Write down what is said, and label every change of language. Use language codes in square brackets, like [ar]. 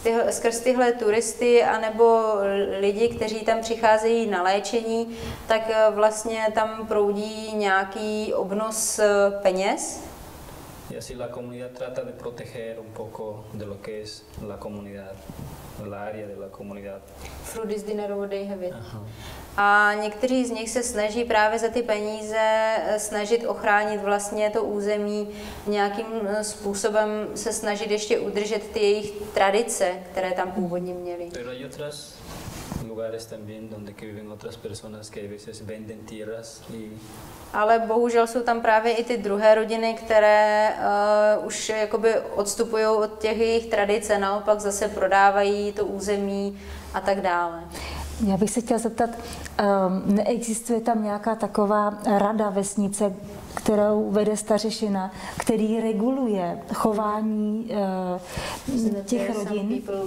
[cs] Skrz tyhle turisty a nebo lidi, kteří tam přicházejí na léčení, tak vlastně tam proudí nějaký obnos peněz. [es] Y así la comunidad trata de proteger un poco de lo que es la comunidad, la área de la comunidad. Frutis dinero de heaven. [cs] A někteří z nich se snaží právě za ty peníze snažit ochránit vlastně to území, nějakým způsobem se snažit ještě udržet ty jejich tradice, které tam původně měli. [es] Pero hay otros lugares también donde que viven otras personas que a veces venden tierras y... [cs] Ale bohužel jsou tam právě i ty druhé rodiny, které už jakoby odstupují od těch jejich tradice, naopak zase prodávají to území a tak dále. Já bych se chtěla zeptat, neexistuje tam nějaká taková rada vesnice, kterou vede stařešina, který reguluje chování těch rodin?